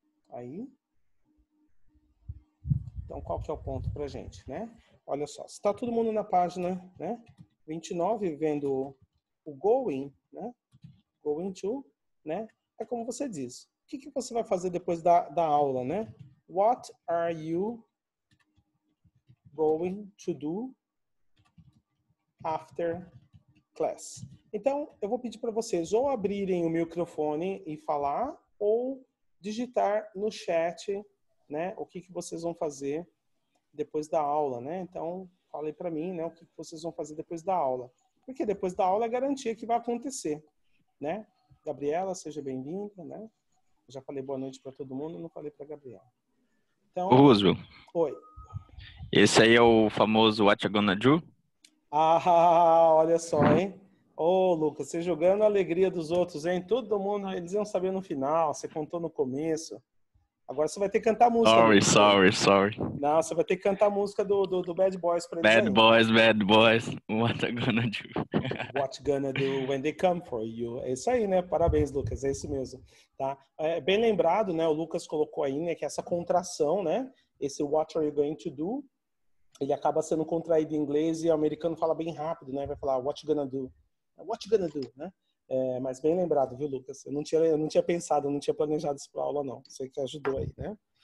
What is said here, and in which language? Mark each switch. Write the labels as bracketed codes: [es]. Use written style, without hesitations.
[pt] Aí, então qual que é o ponto para a gente, né? Olha só, se está todo mundo na página, né, 29 vendo o going, né, going to, né, é como você diz. O que que você vai fazer depois da aula, né? [en] What are you going to do after class? [pt] Então, eu vou pedir para vocês ou abrirem o microfone e falar, ou digitar no chat, né, o que que vocês vão fazer depois da aula, né? Então, falei para mim, né, o que vocês vão fazer depois da aula. Porque depois da aula é garantia que vai acontecer, né? Gabriela, seja bem-vinda, né? Já falei boa noite para todo mundo, não falei para Gabriela. Então, Roosevelt, oi. esse aí é o famoso What You Gonna Do? Ah, olha só, hein? Ô, Lucas, você jogando a alegria dos outros, hein? Todo mundo, eles iam saber no final, você contou no começo. Agora você vai ter que cantar a música do. [en] Sorry, sorry, sorry. [pt] Não, você vai ter que cantar a música do Bad Boys para eles [en] Bad [pt] ainda. [en] boys, bad boys. What you gonna do? What gonna do when they come for you? [pt] É isso aí, né? Parabéns, Lucas, é isso mesmo. Tá? É, bem lembrado, né? O Lucas colocou aí, né, que essa contração, né? Esse [en] what are you going to do? [pt] Ele acaba sendo contraído em inglês e o americano fala bem rápido, né? Vai falar [en] what you gonna do? [pt] What you gonna do, né? É, mas bem lembrado, viu, Lucas? Eu não tinha pensado, não tinha planejado isso para aula, não. Você que ajudou aí, né?